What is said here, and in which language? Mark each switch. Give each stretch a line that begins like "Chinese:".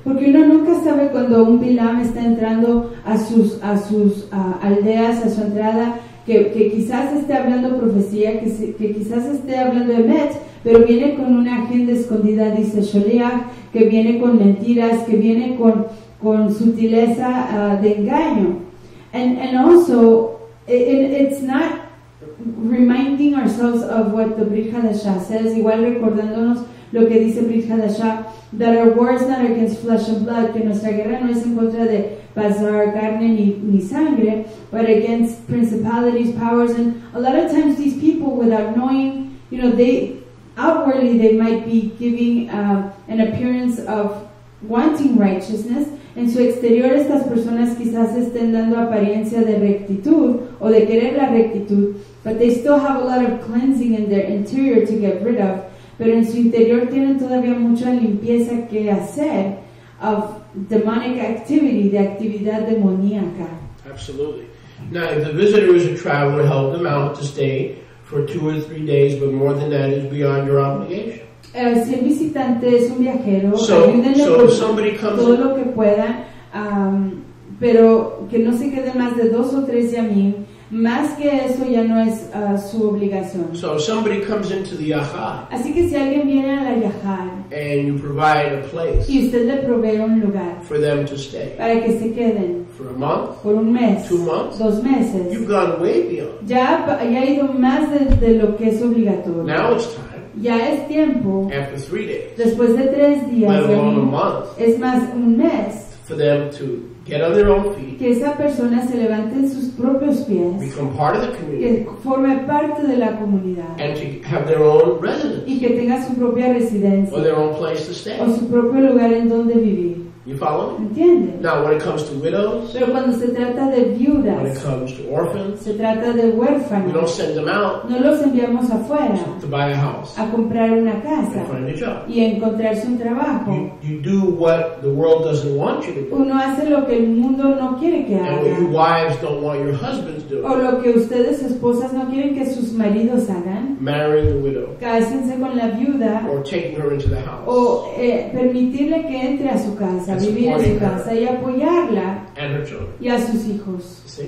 Spanish: Porque uno nunca sabe cuando un Bilam está entrando a sus aldeas, a su entrada, que quizás esté hablando profecía, que quizás esté hablando emet, pero viene con una agenda escondida, dice Sholiah, que viene con mentiras, que viene con sutileza de engaño.
English: And also, it's not reminding ourselves of what the Brit Hadashah says,
Spanish: igual recordándonos lo que dice Brit Hadashah,
English: that our war is not against flesh and blood,
Spanish: que nuestra guerra no es en contra de pasar carne ni sangre,
English: but against principalities, powers, and a lot of times these people, without knowing, you know, they outwardly they might be giving an appearance of wanting righteousness.
Spanish: En su exterior estas personas quizás estén dando apariencia de rectitud o de querer la rectitud,
English: but they still have a lot of cleansing in their interior to get rid of.
Spanish: Pero en su interior tienen todavía mucha limpieza que hacer
English: of demonic activity,
Spanish: de actividad demoníaca.
English: Absolutely. Now, if the visitor is a traveler, help them out to stay for 2 or 3 days, but more than that is beyond your obligation.
Spanish: Si el visitante es un viajero, ayúdenle todo lo que pueda, pero que no se quede más de dos o tres yamim. Más que eso ya no es su obligación.
English: So if somebody comes into the yahar,
Spanish: así que si alguien viene a la yahar,
English: and you provide a place,
Spanish: y usted le provee un lugar
English: for them to stay,
Spanish: para que se queden
English: for a month,
Spanish: por un mes,
English: 2 months,
Spanish: 2 meses,
English: you've gone way beyond.
Spanish: Ya ha ido más de lo que es obligatorio.
English: Now it's time.
Spanish: Ya es tiempo.
English: After 3 days.
Spanish: Después de 3 días.
English: Let alone a month.
Spanish: Es más, un mes.
English: For them to get on their own feet.
Spanish: Que esa persona se levante en sus propios pies.
English: Become part of the community.
Spanish: Que forme parte de la comunidad.
English: And to have their own residence.
Spanish: Y que tenga su propia residencia.
English: Or their own place to stay.
Spanish: O su propio lugar en donde vivir.
English: You follow?
Spanish: ¿Entiende?
English: Now, when it comes to widows.
Spanish: Pero cuando se trata de viudas.
English: When it comes to orphans.
Spanish: Se trata de huérfanos.
English: We don't send them out.
Spanish: No los enviamos afuera.
English: To buy a house.
Spanish: A comprar una casa.
English: And find a job.
Spanish: Y encontrarse un trabajo.
English: You do what the world doesn't want you to do.
Spanish: Uno hace lo que el mundo no quiere que haga.
English: And what your wives don't want your husbands doing.
Spanish: O lo que ustedes esposas no quieren que sus maridos hagan.
English: Marrying the widow.
Spanish: Cásense con la viuda.
English: Or taking her into the house.
Spanish: O permitirle que entre a su casa. A vivir en su casa y apoyarla y a sus hijos.